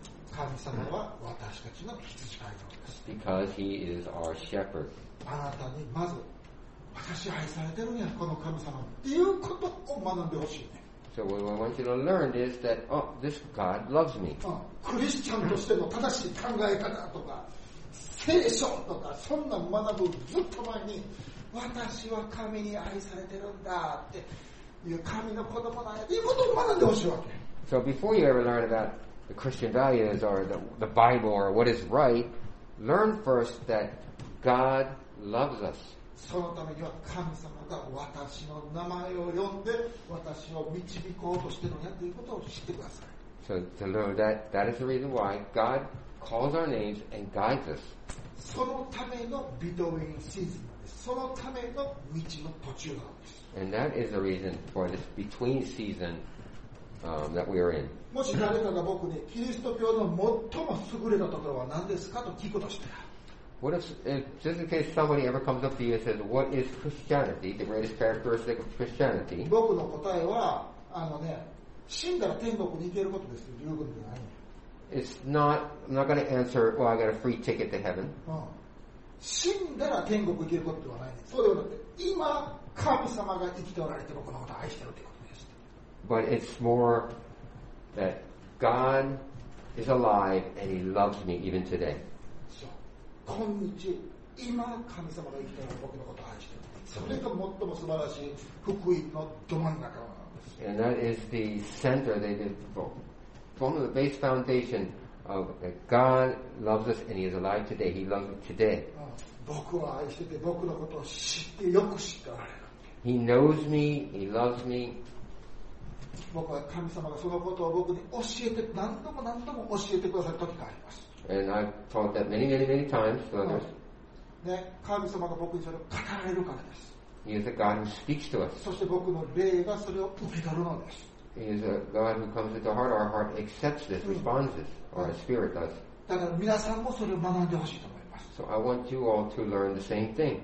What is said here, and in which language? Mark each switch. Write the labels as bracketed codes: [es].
[ja] 神様は私たちの羊飼いなんです。 [en] Because He is our shepherd. [ja] あなたにまず私愛されてるんやこの神様っていうことを学んでほしいね。 [en] So what I want you to learn is that, oh, this God loves me. [ja] クリスチャンとしての正しい考え方とか聖書とかそんな学ぶずっと前に私は神に愛されてるんだっていう神の子供なんやっていうことを学んでほしいわけ。 [en] So before you ever learn about the Christian values or the Bible or what is right, learn first that God loves us. [ja] そのためには神様が私の名前を呼んで私を導こうとしてるんやということを知ってください。 [en] So to learn that, that is the reason why God calls our names and guides us. [ja] そのためのビトウィンシーズンです。そのための道の途中なんです。 [en] And that is the reason for this between season, that we are in. [ja] もし誰かが僕にキリスト教の最も優れたところは何ですかと聞くとしたら。 [en] What if, just in case somebody ever comes up to you and says, what is Christianity, the greatest characteristic of Christianity? [ja] 僕の答えは、あのね、死んだら天国に行けることですよ、十分じゃない。 [en] It's not, I'm not going to answer, well, I got a free ticket to heaven. [ja] 死んだら天国に行けることではない。そうではなくて、今、神様が生きておられて僕のことを愛しているということです。 [en] But it's more that God is alive and He loves me even today. [ja] 今日、今神様が生きている僕のことを愛しているそれが最も素晴らしい福音のど真ん中なんです。 [en] And that is the center, they did form the base foundation of that God loves us and He is alive today. He loves us today. [ja] 僕を愛してて僕のことを知ってよく知っておられる。 [en] He knows me, He loves me. [ja] 僕は神様がそのことを僕に教えて何度も何度も教えてくださる時があります。 [en] And I've taught that many, many, many times to others. [ja] ね、神様が僕にそれを語られるからです。 [en] He is a God who speaks to us. [ja] そして僕の霊がそれを受け取るのです。 [en] He is a God who comes into heart. Our heart accepts this, responds this, or our spirit does. [ja] だから皆さんもそれを学んでほしいと思います。 [en] So I want you all to learn the same thing.